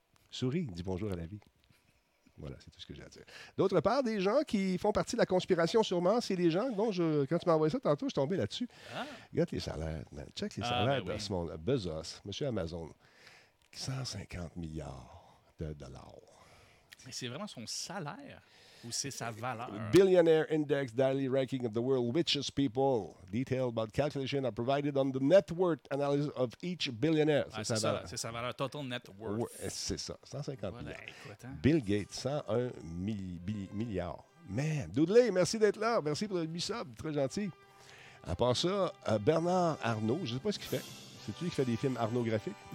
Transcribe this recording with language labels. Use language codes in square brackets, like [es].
[fr] Souris, dis bonjour à la vie. Voilà, c'est tout ce que j'ai à dire. D'autre part, des gens qui font partie de la conspiration sûrement, c'est des gens dont je, quand tu m'as envoyé ça tantôt, je suis tombé là-dessus. Ah. Regarde les salaires. Man. Check les salaires de ce monde. Bezos, monsieur Amazon. 150 milliards de dollars. Mais c'est vraiment son salaire ou c'est sa valeur? [en] Billionaire Index Daily Ranking of the World Richest People. Detailed about calculation are provided on the net worth analysis of each billionaire. [fr] C'est, ah, sa, c'est, ça, c'est sa valeur. [en] Total net worth. [fr] C'est ça. 150 milliards. Voilà, écoute, hein? Bill Gates, 101 milliards. Man, Dudley, merci d'être là. Merci pour le sub. Très gentil. À part ça, Bernard Arnault, je ne sais pas ce qu'il fait. C'est lui qui fait des films pornographiques?